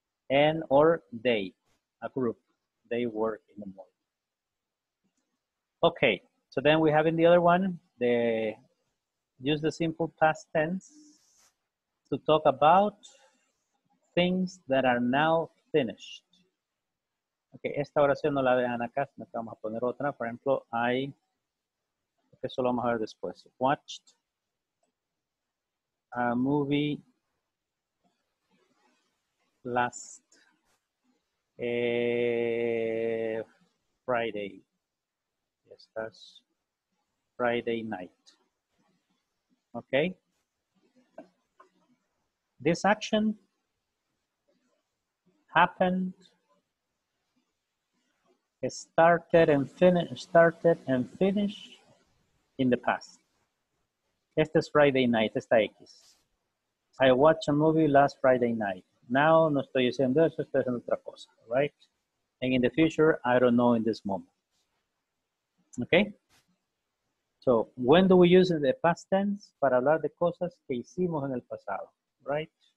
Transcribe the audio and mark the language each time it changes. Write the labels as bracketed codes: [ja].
[en] And or they, a group, they work in the morning. Okay, so then we have in the other one, they use the simple past tense to talk about things that are now finished. [es] Okay, esta oración no la dejan acá, sino que vamos a poner otra. Por ejemplo, I, que eso lo vamos a ver después. [en] Watched a movie last Friday. Yes, that's Friday night. Okay. This action happened, started and finished in the past. [es] Este es [en] Friday night, [es] esta X. [en] I watched a movie last Friday night. [es] Now, no estoy haciendo eso, estoy haciendo otra cosa, right? [en] And in the future, I don't know in this moment. Okay? So, when do we use the past tense? [es] Para hablar de cosas que hicimos en el pasado, right?